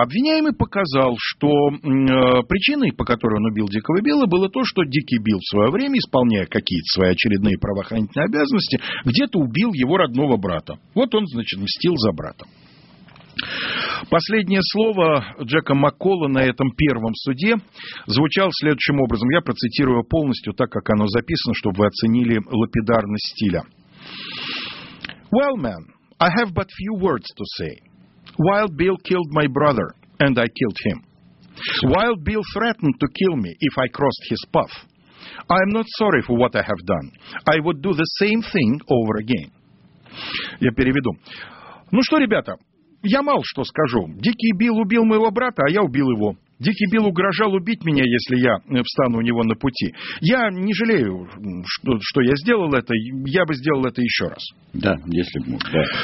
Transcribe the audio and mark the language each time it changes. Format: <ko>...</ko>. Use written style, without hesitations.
<ru>Обвиняемый показал, что причиной, по которой он убил Дикого Билла, было то, что Дикий Билл в свое время, исполняя какие-то свои очередные правоохранительные обязанности, где-то убил его родного брата. Вот он, значит, мстил за брата. Последнее слово Джека Маккола на этом первом суде звучало следующим образом. Я процитирую полностью так, как оно записано, чтобы вы оценили лапидарность стиля.</ru> <en>«Well, man, I have but few words to say. Wild Bill killed my brother, and I killed him. Wild Bill threatened to kill me if I crossed his path. I am not sorry for what I have done. I would do the same thing over again».</en> <ru>Я переведу. Ну что, ребята, я мало что скажу. Дикий Билл убил моего брата, а я убил его. Дикий Билл угрожал убить меня, если я встану у него на пути. Я не жалею, что я сделал это. Я бы сделал это еще раз. Да, если бы мог. Да.</ru>